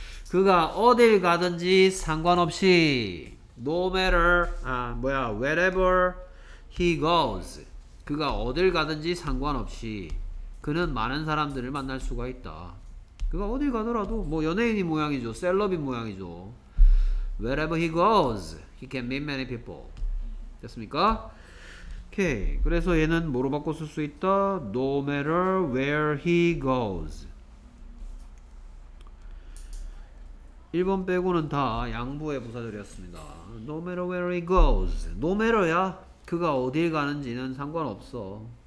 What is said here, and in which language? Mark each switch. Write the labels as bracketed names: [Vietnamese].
[Korean] 그가 어딜 가든지 상관없이 no matter, 아 뭐야, [English] wherever he goes, [Korean] 그가 어딜 가든지 상관없이 그는 많은 사람들을 만날 수가 있다. 그가 어딜 가더라도 뭐 연예인 모양이죠. 셀럽인 모양이죠. [English] Wherever he goes, he can meet many people. [Korean] 됐습니까? 오케이. 그래서 얘는 뭐로 바꿔 쓸 수 있다? [English] No matter where he goes. [Korean] 1번 빼고는 다 양보의 부사절이었습니다. [English] No matter where he goes. No matter야. [Korean] 그가 어딜 가는지는 상관없어.